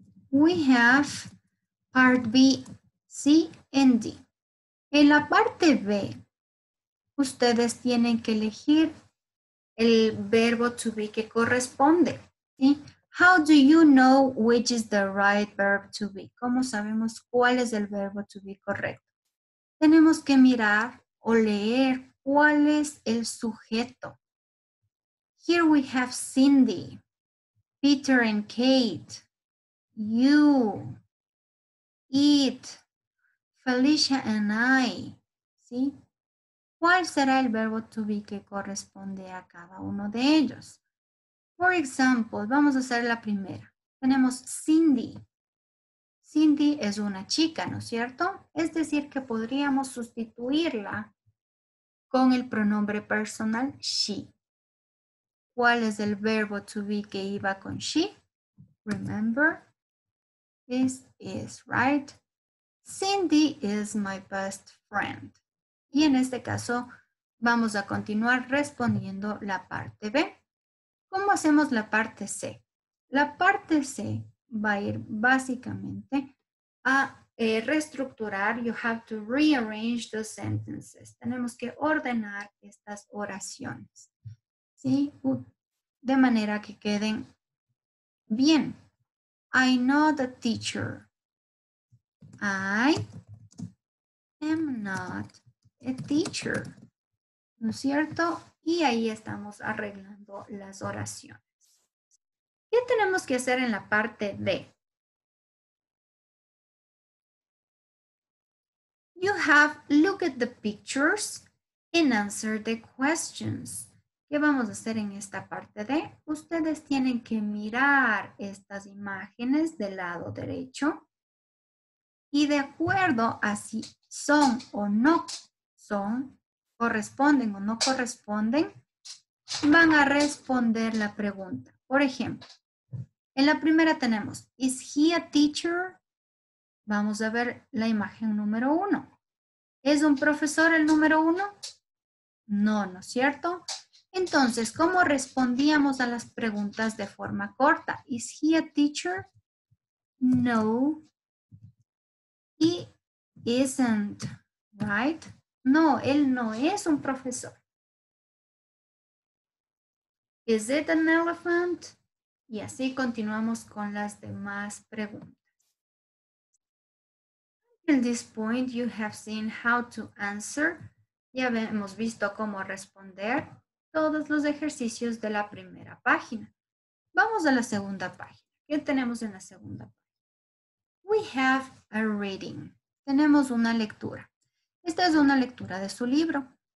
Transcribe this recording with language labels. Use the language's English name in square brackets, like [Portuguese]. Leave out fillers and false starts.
[English] We have part B, C and D. [Spanish] En la parte B, ustedes tienen que elegir el verbo to be que corresponde. ¿Sí? [English] How do you know which is the right verb to be? [Spanish] ¿Cómo sabemos cuál es el verbo to be correcto? Tenemos que mirar o leer cuál es el sujeto. [English] Here we have Cindy, Peter and Kate, you, it, Felicia and I. [Spanish] ¿Sí? ¿Cuál será el verbo to be que corresponde a cada uno de ellos? [English] For example, [Spanish] vamos a hacer la primera. Tenemos Cindy. Cindy es una chica, ¿no es cierto? Es decir, que podríamos sustituirla con el pronombre personal she. ¿Cuál es el verbo to be que iba con she? [English] Remember, this is right. Cindy is my best friend. [Spanish] Y en este caso, vamos a continuar respondiendo la parte B. ¿Cómo hacemos la parte C? La parte C va a ir básicamente a reestructurar. [English] You have to rearrange the sentences. [Spanish] Tenemos que ordenar estas oraciones. ¿Sí? De manera que queden bien. [English] I know the teacher. I am not a teacher. ¿No es cierto? [Spanish] Y ahí estamos arreglando las oraciones. ¿Qué tenemos que hacer en la parte D? [English] You have look at the pictures and answer the questions. [Spanish] ¿Qué vamos a hacer en esta parte D? Ustedes tienen que mirar estas imágenes del lado derecho y de acuerdo a si son o no son, corresponden o no corresponden, van a responder la pregunta. Por ejemplo, en la primera tenemos, [English] ¿is he a teacher? [Spanish] Vamos a ver la imagen número uno. ¿Es un profesor el número uno? No, ¿no es cierto? Entonces, ¿cómo respondíamos a las preguntas de forma corta? [English] ¿Is he a teacher? No. He isn't, right? [Spanish] No, él no es un profesor. [English] ¿Is it an elephant? [Spanish] Y así continuamos con las demás preguntas. [English] At this point, you have seen how to answer. [Spanish] Ya hemos visto cómo responder todos los ejercicios de la primera página. Vamos a la segunda página. ¿Qué tenemos en la segunda página? [English] We have a reading. [Spanish] Tenemos una lectura. Esta es una lectura de su libro.